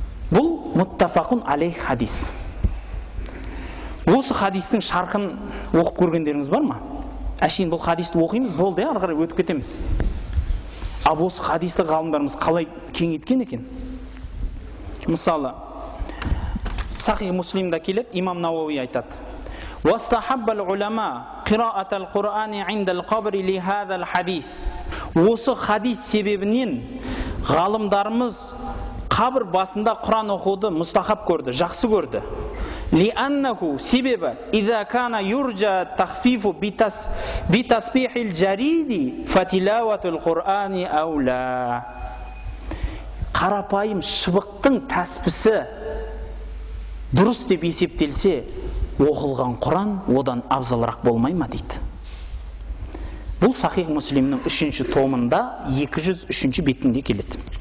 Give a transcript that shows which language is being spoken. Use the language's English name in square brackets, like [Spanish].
[Kazakh] Бұл муттафақун алейх хадис. Осы хадистің шарқын оқып көргендеріңіз бар ма? Әшейін бұл хадисті оқимыз, болды, ары қарай өтіп кетеміз. Ал осы хадисті ғалымдарымыз қалай кеңейткен екен? Мысалы, Сахих Муслимде келеді, имам Науави айтады: واستحب العلماء قراءة القرآن عند القبر لهذا الحديث. Осы хадис себебінен ғалымдарымыз қабір басында Құран оқуды мұстахап көрді, жақсы көрді. [Arabic] لأنه سبب إذا كان يرجى تخفيف بتسبيح الجريد فتلاوة القرآن أولى. [Kazakh] Қарапайым шыбықтың тәспісі дұрыс деп есептелсе, оқылған Құран одан абзалырақ болмай ма дейді. Бұл Сахих Муслимнің 3-ші томында 203-ші бетінде келеді.